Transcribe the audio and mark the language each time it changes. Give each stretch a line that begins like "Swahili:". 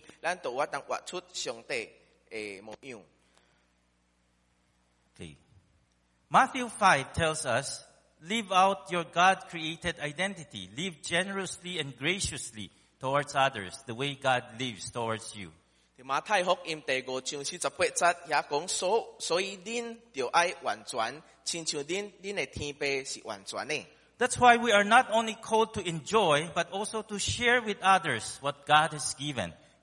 Min Nan Chinese: 上帝呢是一个慷慨的上帝，所以当咱家己对其他人慷慨的时阵呢，咱都活出上帝的模样。
English: Okay. Matthew 5 tells us, "Live out your God-created identity. Live generously and graciously towards others, the way God lives towards you."
Min Nan Chinese: 马太福音第5:48，所以恁就爱完全，亲像恁的天父是完全的。
English: That's why we are not only called to enjoy, but also to share with others what God has given.